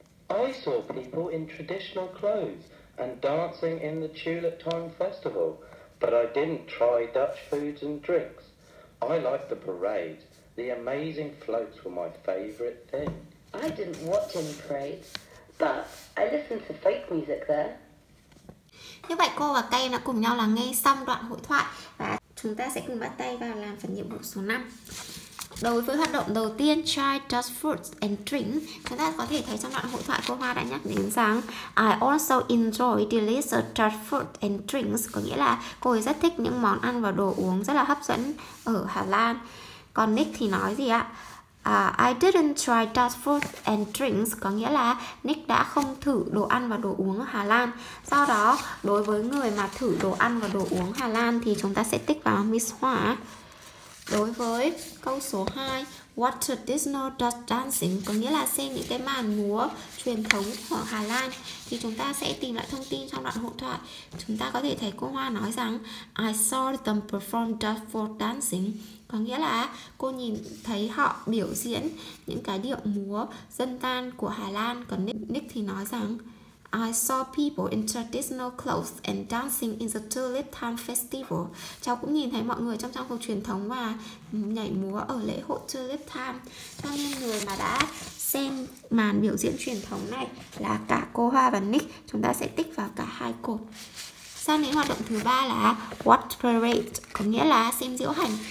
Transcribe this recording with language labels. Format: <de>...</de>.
<en>I saw people in traditional clothes and dancing in the Tulip Time Festival, but I didn't try Dutch foods and drinks. I liked the parade. The amazing floats were my favourite thing. I didn't watch any parade, but I listened to folk music there.</en> <vi>Như vậy cô và Kay đã cùng nhau lắng nghe xong đoạn hội thoại và chúng ta sẽ cùng bắt tay vào làm phần nhiệm vụ số 5. Đối với hoạt động đầu tiên</vi> <en>try just fruits and drink,</en> <vi>chúng ta có thể thấy trong đoạn hội thoại cô Hoa đã nhắc đến rằng</vi> <en>I also enjoy delicious just fruits and drinks,</en> <vi>có nghĩa là cô ấy rất thích những món ăn và đồ uống rất là hấp dẫn ở Hà Lan. Còn Nick thì nói gì ạ?</vi> <en>I didn't try just fruits and drinks,</en> <vi>có nghĩa là Nick đã không thử đồ ăn và đồ uống ở Hà Lan. Sau đó đối với người mà thử đồ ăn và đồ uống Hà Lan thì chúng ta sẽ tích vào Miss Hoa. Đối với câu số 2,</vi> <en>watch traditional Dutch dancing,</en> <vi>có nghĩa là xem những cái màn múa truyền thống ở Hà Lan, thì chúng ta sẽ tìm lại thông tin trong đoạn hội thoại. Chúng ta có thể thấy cô Hoa nói rằng</vi> <en>I saw them perform Dutch folk dancing,</en> <vi>có nghĩa là cô nhìn thấy họ biểu diễn những cái điệu múa dân gian của Hà Lan.</vi> <en>Còn Nick thì nói rằng I saw people in traditional clothes and dancing in the Tulip Time Festival.</en> <vi>Cháu cũng nhìn thấy mọi người trong trang phục truyền thống và nhảy múa ở lễ hội Tulip Time. Cho nên người mà đã xem màn biểu diễn truyền thống này là cả cô Hoa và Nick. Chúng ta sẽ tích vào cả hai cột. Sang đến hoạt động thứ ba là</vi> <en>watch parade,</en> <vi>có nghĩa là xem diễu hành.</vi>